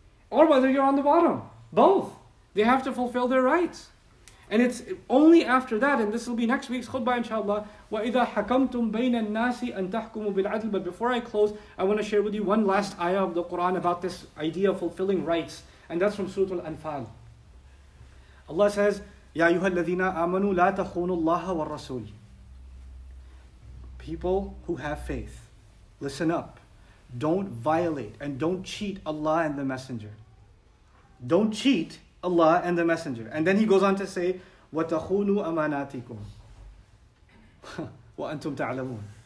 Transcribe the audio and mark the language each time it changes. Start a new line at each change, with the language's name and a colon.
English: Or whether you're on the bottom. Both. They have to fulfill their rights. And it's only after that, and this will be next week's khutbah, inshallah.
Arabic: وَإِذَا حَكَمْتُمْ بَيْنَ النَّاسِ أَن تَحْكُمُوا بِالْعَدْلِ.
English: But before I close, I want to share with you one last ayah of the Quran about this idea of fulfilling rights. And that's from Surah Al-Anfal. Allah says,
Arabic: يَا أَيُّهَا الَّذِينَ آمَنُوا لَا تَخُونُوا اللَّهَ وَالرَّسُولِ.
English: People who have faith, listen up. Don't violate and don't cheat Allah and the Messenger. Don't cheat Allah and the Messenger. And then he goes on to say,
Arabic: وَتَخُونُوا أَمَانَاتِكُمْ وَأَنْتُمْ تَعْلَمُونَ.